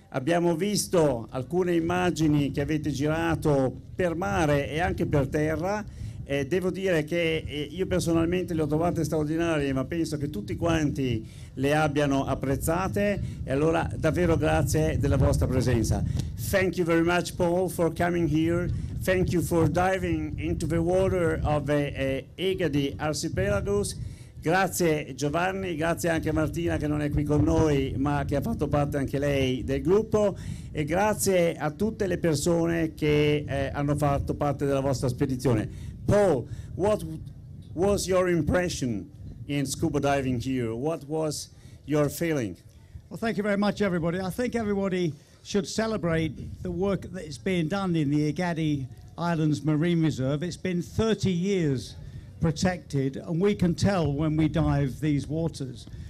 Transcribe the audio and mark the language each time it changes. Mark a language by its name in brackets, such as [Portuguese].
[Italian] Abbiamo visto alcune immagini che avete girato per mare e anche per terra. Devo dire che io personalmente le ho trovate straordinarie, ma penso che tutti quanti le abbiano apprezzate, e allora davvero grazie della vostra presenza. [English] Thank you very much, Paul, for coming here. Thank you for diving into the water of the Egadi Archipelago. [Italian] Grazie Giovanni, grazie anche Martina, che non è qui con noi ma che ha fatto parte anche lei del gruppo, e grazie a tutte le persone che hanno fatto parte della vostra spedizione. [English] Paul, what was your impression in scuba diving here? What was your feeling? Well, thank you very much, everybody. I think everybody should celebrate the work that is being done in the Egadi Islands Marine Reserve. It's been 30 years protected, and we can tell when we dive these waters.